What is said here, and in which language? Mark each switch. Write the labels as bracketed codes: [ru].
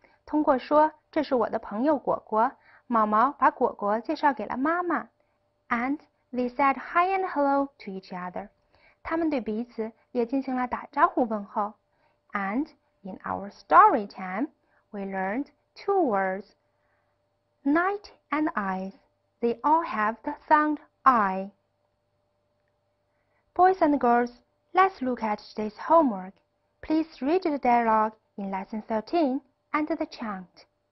[zh] 通过说这是我的朋友果果，毛毛把果果介绍给了妈妈。 [en] And they said hi and hello to each other. [zh] 他们对彼此也进行了打招呼问候。 [en] And in our story time, we learned two words. Night and eyes. They all have the sound I. Boys and girls, let's look at today's homework. Please read the dialogue in lesson 13 and the chant.